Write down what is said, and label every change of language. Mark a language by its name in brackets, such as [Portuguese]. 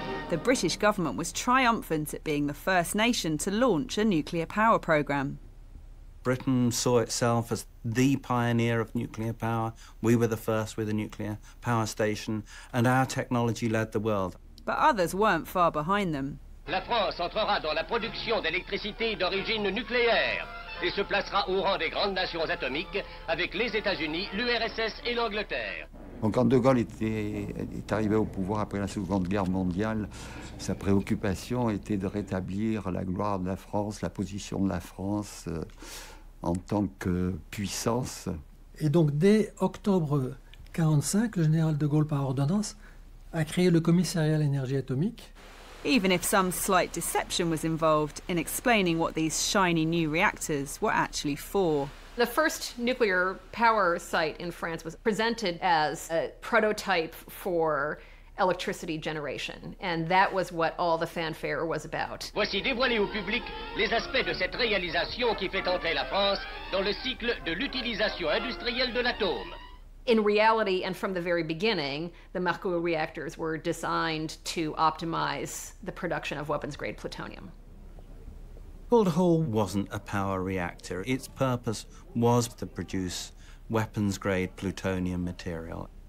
[English] The British government was triumphant at being the first nation to launch a nuclear power program. Britain saw itself as the pioneer of nuclear power. We were the first with a nuclear power station, and our technology led the world. But others weren't far behind them. [French] La France entrera dans la production d'électricité d'origine nucléaire et se placera au rang des grandes nations atomiques avec les États-Unis, l'URSS et l'Angleterre. Donc quand De Gaulle est arrivé au pouvoir après la Seconde Guerre mondiale, sa préoccupation était de rétablir la gloire de la France, la position de la France en tant que puissance. Et donc dès octobre 1945, le général De Gaulle, par ordonnance, a créé le commissariat à l'énergie atomique. [English] Even if some slight deception was involved in explaining what these shiny new reactors were actually for. The first nuclear power site in France was presented as a prototype for electricity generation, and that was what all the fanfare was about. [French] Voici dévoilés au public les aspects de cette réalisation qui fait entrer la France dans le cycle de l'utilisation industrielle de l'atome. [English] In reality, and from the very beginning, the Marcoux reactors were designed to optimize the production of weapons-grade plutonium. Calder Hall wasn't a power reactor. Its purpose was to produce weapons-grade plutonium material.